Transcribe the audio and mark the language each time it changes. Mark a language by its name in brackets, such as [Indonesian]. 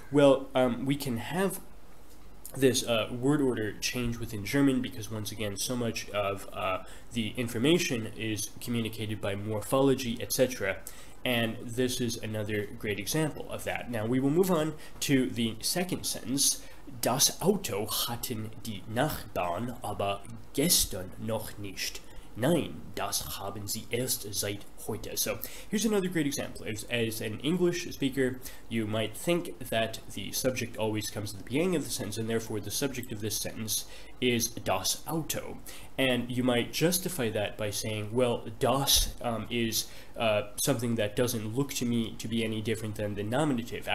[English] Well, we can have this word order change within German because once again, so much of the information is communicated by morphology, etc. And this is another great example of that. Now we will move on to the second sentence. [German] Das Auto hatten die Nachbarn aber gestern noch nicht. Nein, das haben sie erst seit heute. [English] So here's another great example. As an English speaker, you might think that the subject always comes at the beginning of the sentence, and therefore the subject of this sentence is das Auto. And you might justify that by saying, well, das is something that doesn't look to me to be any different than the nominative.